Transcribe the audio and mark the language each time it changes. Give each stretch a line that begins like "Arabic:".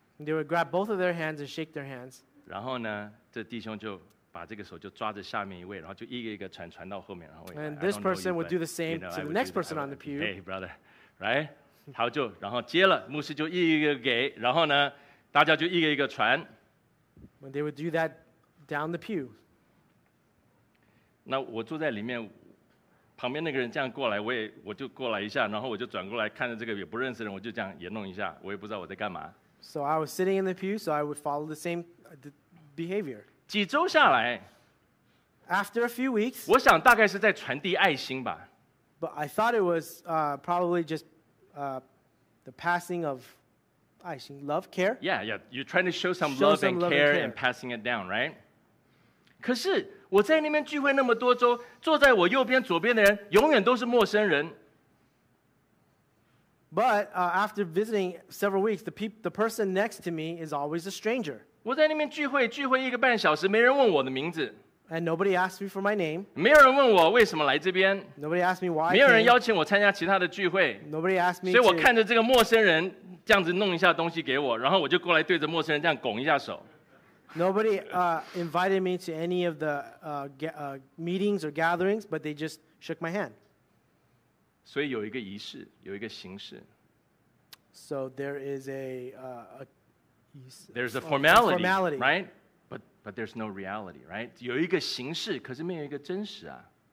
English: They would grab both of their hands and shake their hands.
Chinese: 然后呢，这弟兄就把这个手就抓着下面一位，然后就一个一个传到后面，然后。
English: And this person would do the same to the next person on the pew. Hey, brother, right?
Chinese: 好，就然后接了，牧师就一个一个给，然后呢，大家就一个一个传。
English: When they would do that down the pew.
Chinese: 那我坐在里面，旁边那个人这样过来，我就过来一下，然后我就转过来看着这个也不认识的人，我就这样也弄一下，我也不知道我在干嘛。
English: So I was sitting in the pew, so I would follow the same behavior.
Chinese: 几周下来,
English: after a few weeks,
Chinese: 我想大概是在传递爱心吧。
English: But I thought it was probably just the passing of 爱心, love, care. Yeah, yeah, you're trying to show some love and care and passing it down, right?
Chinese: 可是我在那边聚会那么多周, 坐在我右边左边的人永远都是陌生人。
English: But after visiting several weeks, the person next to me is always a stranger.
Chinese: 我在那边聚会一个半小时，没人问我的名字。
English: And nobody asked me for my name.
Chinese: 没有人问我为什么来这边。
English: Nobody asked me why.
Chinese: 没有人邀请我参加其他的聚会。
English: Nobody asked me.
Chinese: 所以我看着这个陌生人这样子弄一下东西给我，然后我就过来对着陌生人这样拱一下手。
English: Nobody invited me to any of the meetings or gatherings, but they just shook my hand.
Chinese: 所以有一个仪式，有一个形式。
English: So there is there's a formality, right? But there's no reality, right?
Chinese: 有一个形式，可是没有一个真实啊。